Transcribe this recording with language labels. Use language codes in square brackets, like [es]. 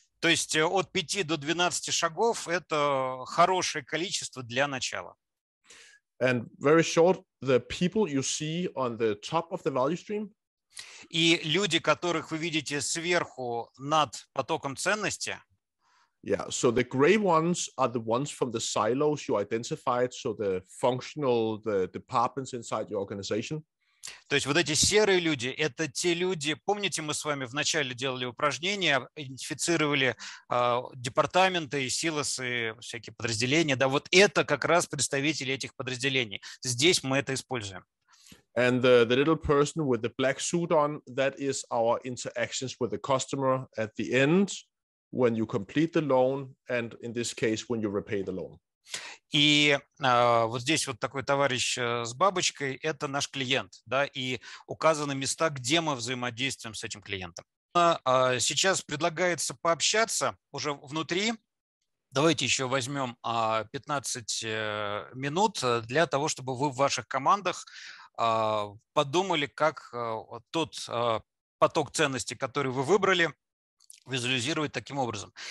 [ru] То есть от 5 до 12 шагов – это хорошее количество для начала. [en] And very short, the people you see on the top of the value stream. [ru] И люди, которых вы видите сверху над потоком ценности. [en] Yeah, so the gray ones are the ones from the silos you identified, so the functional, the departments inside your organization. [ru] То есть вот эти серые люди, это те люди, помните, мы с вами вначале делали упражнение, идентифицировали департаменты и силосы, всякие подразделения, да, вот это как раз представители этих подразделений. Здесь мы это используем. [en] And the little person with the black suit on, that is our interactions with the customer at the end, when you complete the loan, and in this case, when you repay the loan. [ru] И вот здесь вот такой товарищ с бабочкой – это наш клиент, да, и указаны места, где мы взаимодействуем с этим клиентом. Сейчас предлагается пообщаться уже внутри. Давайте еще возьмем 15 минут для того, чтобы вы в ваших командах подумали, как тот поток ценностей, который вы выбрали, визуализировать таким образом.